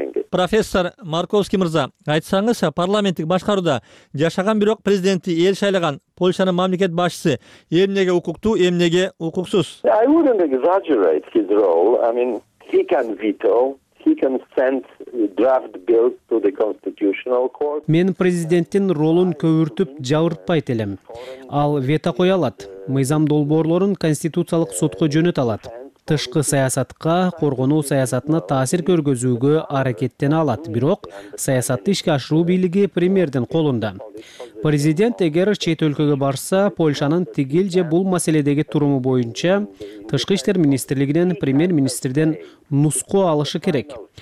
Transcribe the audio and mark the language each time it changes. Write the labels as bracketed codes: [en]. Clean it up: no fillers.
[ky] Профессор Марковский мырза, айтсаңыз, парламенттик башкарууда жашаган бирок президентти эл шайлаган Польшанын мамлекет башчысы эмнеге укуктуу, эмнеге укуксуз? [en] I wouldn't exaggerate his role. I mean, he can veto. He can send draft bills to the constitutional court. [ky] Мен президенттин ролун көбүртүп жабыртпайт элем. Ал вето кое алат. Мыйзам долбоорлорун конституциялык сотко жөнөтө алат. Тышкы саясатка, коргонуу саясатына таасир көргөзүүгө аракеттене алат, бирок саясатты ишке ашыруу бийлиги премьердин колунда. Президент эгер чет өлкөгө барса, Польшанын тигил же бул маселедеги туруму боюнча Тышкы иштер министрлигинен премьер-министрден нуску алышы керек.